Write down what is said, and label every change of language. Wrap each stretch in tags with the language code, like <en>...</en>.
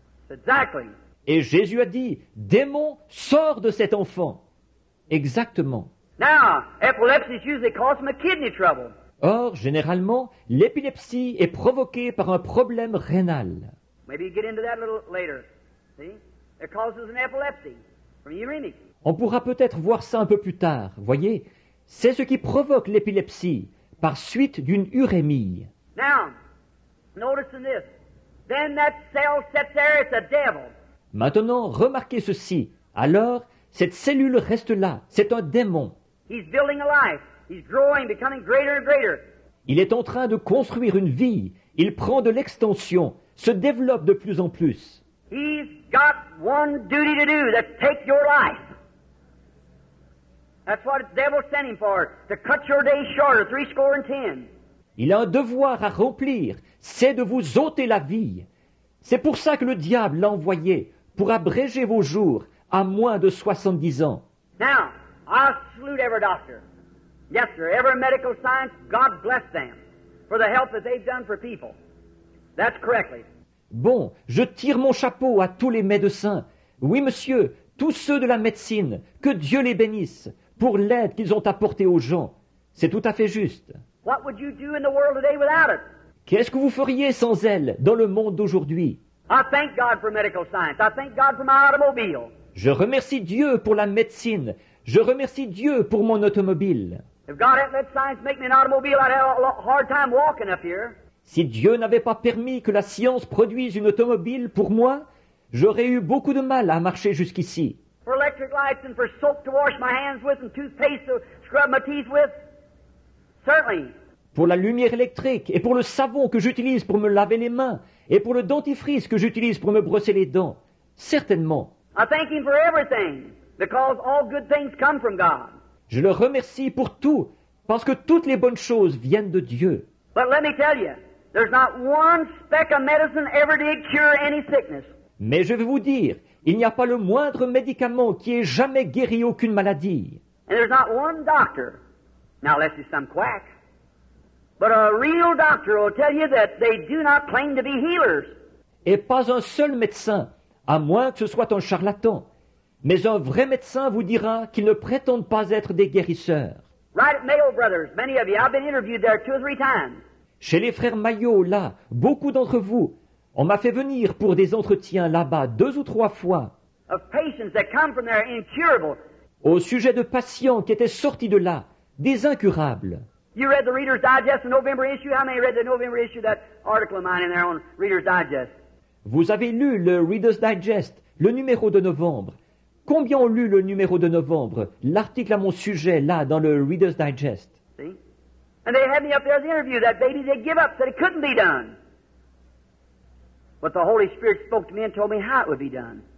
<en>Exactly.</en> <fr>Et Jésus a dit, démon, sors de cet enfant. Exactement.</fr> <en>Now, epilepsy is usually caused from a kidney trouble.</en> <fr>Or, généralement, l'épilepsie est provoquée par un problème rénal.</fr> <en>Maybe you get into that a little later. See? It causes an epilepsy from uremic.</en> <fr>On pourra peut-être voir ça un peu plus tard. Voyez, c'est ce qui provoque l'épilepsie par suite d'une urémie.</fr> <en>Now, notice this. Then that cell sits there, it's a devil.</en> <fr>Maintenant, remarquez ceci. Alors, cette cellule reste là. C'est un démon.</fr> <en>He's building a life. He's growing, becoming greater and greater.</en> <fr>Il est en train de construire une vie. Il prend de l'extension, se développe de plus en plus.</fr> <en>He's got one duty to do, that's take your life. That's what the devil sent him for, to cut your day shorter, 70.</en> <fr>Il a un devoir à remplir, c'est de vous ôter la vie. C'est pour ça que le diable l'a envoyé, pour abréger vos jours à moins de 70 ans.</fr> <en>Now, I salute every doctor. Yes, sir, every medical science, God bless them for the help that they've done for people. That's correctly.</en> <fr>Bon, je tire mon chapeau à tous les médecins. Oui, monsieur, tous ceux de la médecine, que Dieu les bénisse pour l'aide qu'ils ont apportée aux gens. C'est tout à fait juste.</fr> <en>What would you do in the world today without it?</en> <fr>Qu'est-ce que vous feriez sans elle dans le monde d'aujourd'hui?</fr> <en>I thank God for medical science. I thank God for my automobile.</en> <fr>Je remercie Dieu pour la médecine. Je remercie Dieu pour mon automobile.</fr> <en>If God hadn't let science make me an automobile, I'd have a hard time walking up here.</en> <fr>Si Dieu n'avait pas permis que la science produise une automobile pour moi, j'aurais eu beaucoup de mal à marcher jusqu'ici.</fr> <en>For electric lights and for soap to wash my hands with and toothpaste to scrub my teeth with. Certainly.</en> <fr>Pour la lumière électrique et pour le savon que j'utilise pour me laver les mains et pour le dentifrice que j'utilise pour me brosser les dents. Certainement.</fr> <en>I thank him for everything. Because all good things come from God.</en> <fr>Je le remercie pour tout, parce que toutes les bonnes choses viennent de Dieu.</fr> <en>But let me tell you, there's not one speck of medicine ever did cure any sickness.</en> <fr>Mais je vais vous dire, il n'y a pas le moindre médicament qui ait jamais guéri aucune maladie.</fr> <en>And there's not one doctor, now unless he's some quack, but a real doctor will tell you that they do not claim to be healers.</en> <fr>Et pas un seul médecin, à moins que ce soit un charlatan, mais un vrai médecin vous dira qu'ils ne prétendent pas être des guérisseurs.</fr> <en>Right at Mayo Brothers, many of you, I've been interviewed there two or three times.</en> <fr>Chez les frères Mayo, là, beaucoup d'entre vous, on m'a fait venir pour des entretiens là-bas deux ou trois fois.</fr> <en>Of patients that come from there incurable.</en> <fr>Au sujet de patients qui étaient sortis de là, des incurables.</fr> <en>You read the Reader's Digest, the November issue. How many read the November issue, that article of mine in there on Reader's Digest?</en> <fr>Vous avez lu le Reader's Digest, le numéro de novembre. Combien ont lu le numéro de novembre, l'article à mon sujet, là, dans le Reader's Digest?</fr> <en>See? And they had me up there as the interview. That baby, they give up, said it couldn't be done. But the Holy Spirit spoke to me and told me how it would be done.</en>